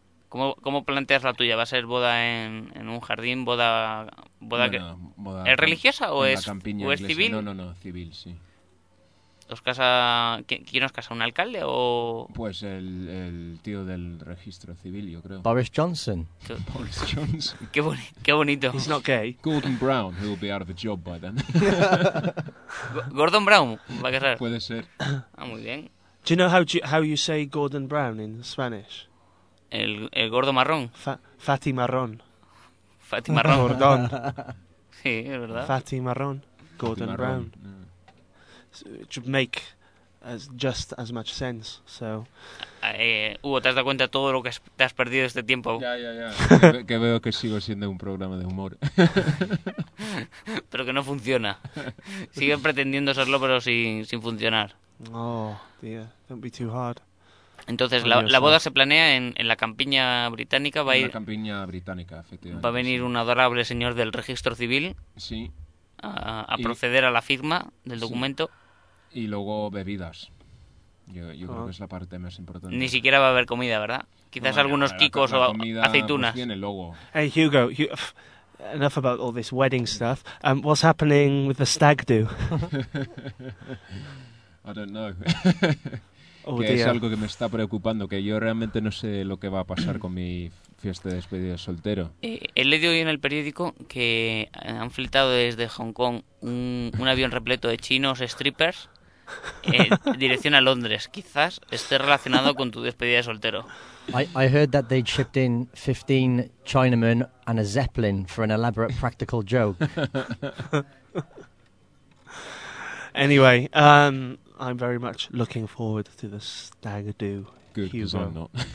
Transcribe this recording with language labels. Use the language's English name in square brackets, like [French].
[Spanish] ¿Cómo planteas la tuya? ¿Va a ser boda en un jardín? ¿Es religiosa o es civil? No, civil, sí. ¿Os casa? ¿Quién os casa? ¿Un alcalde o...? Pues el tío del registro civil, yo creo. Boris Johnson. Boris Johnson. Qué bonito. [English] He's not gay. Gordon Brown, who will be out of a job by then. [Spanish] ¿Gordon Brown va a casar? Puede ser. Ah, muy bien. [English] Do you know how you say Gordon Brown in Spanish? [Spanish] El gordo marrón. [English] Fatty marrón. Fatty marrón. Gordon. [Spanish] Sí, es verdad. Fatty marrón. Gordon Fatty Brown. Marrón. Yeah. It should make just as much sense. So, Hugo, ¿te has dado cuenta de todo lo que te has perdido este tiempo? Ya, [English] yeah. [Spanish] que veo que sigo siendo un programa de humor. Pero que no funciona. Sigue pretendiendo serlo, pero sin funcionar. [English] Oh, dear. Don't be too hard. [Spanish] Entonces, la boda se planea en la campiña británica. En la campiña británica, efectivamente. Va a venir un adorable señor del registro civil. Sí. A proceder a la firma del documento. Sí. Y luego bebidas. Yo creo que es la parte más importante. Ni siquiera va a haber comida, ¿verdad? Quizás algunos quicos comida, o aceitunas. Pues, logo. [English] Hey, Hugo, enough about all this wedding stuff. What's happening with the stag do? I don't know. [Spanish] Es algo que me está preocupando, que yo realmente no sé lo que va a pasar con mi fiesta de despedida soltero. He leído hoy en el periódico que han flitado desde Hong Kong un avión repleto de chinos strippers dirección a Londres. Quizás esté relacionado con tu despedida de soltero. [English] I heard that they'd shipped in 15 Chinamen and a Zeppelin for an elaborate practical joke. Anyway, I'm very much looking forward to the stag do. Good, because I'm not.